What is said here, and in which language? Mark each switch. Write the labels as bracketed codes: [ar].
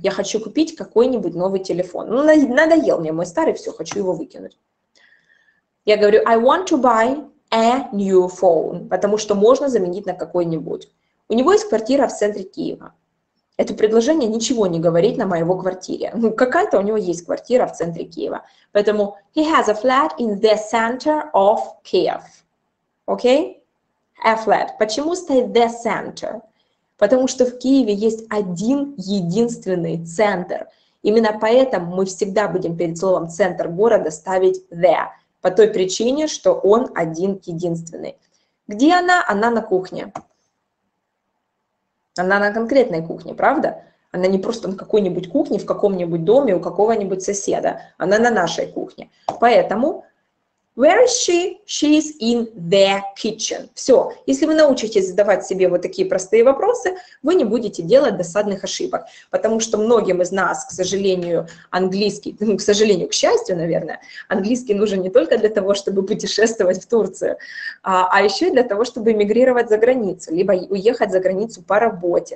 [ru] Я хочу купить какой-нибудь новый телефон. Ну, надоел мне мой старый, все, хочу его выкинуть. Я говорю [en] «I want to buy» a new phone, [ru] потому что можно заменить на какой-нибудь. У него есть квартира в центре Киева. это предложение ничего не говорит на моего квартире. Ну, какая-то у него есть квартира в центре Киева. Поэтому [en] he has a flat in the center of Kiev. Окей? Okay? A flat. [ru] Почему стоит the center? Потому что в Киеве есть один единственный центр. Именно поэтому мы всегда будем перед словом «центр города» ставить «the», по той причине, что он один единственный. Где она? Она на кухне. Она на конкретной кухне, правда? Она не просто на какой-нибудь кухне, в каком-нибудь доме у какого-нибудь соседа. Она на нашей кухне. Поэтому [en] where is she? She is in the kitchen. Все. [ru] Если вы научитесь задавать себе вот такие простые вопросы, вы не будете делать досадных ошибок. Потому что многим из нас, к сожалению, английский, ну, к сожалению, к счастью, наверное, английский нужен не только для того, чтобы путешествовать в Турцию, а еще и для того, чтобы эмигрировать за границу, либо уехать за границу по работе.